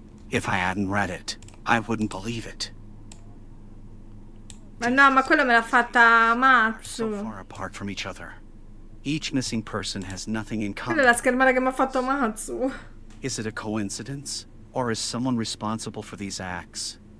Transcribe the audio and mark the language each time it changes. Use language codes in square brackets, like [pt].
[en] If I hadn't read it, I wouldn't believe it. [it] Ma no, ma quello me l'ha fatta Matsu. [en] So far apart from each other. Each missing person has nothing in common. [it] Quella è la schermata che mi ha fatto Matsu. [en] Is it a coincidence? Or is someone responsible for these acts?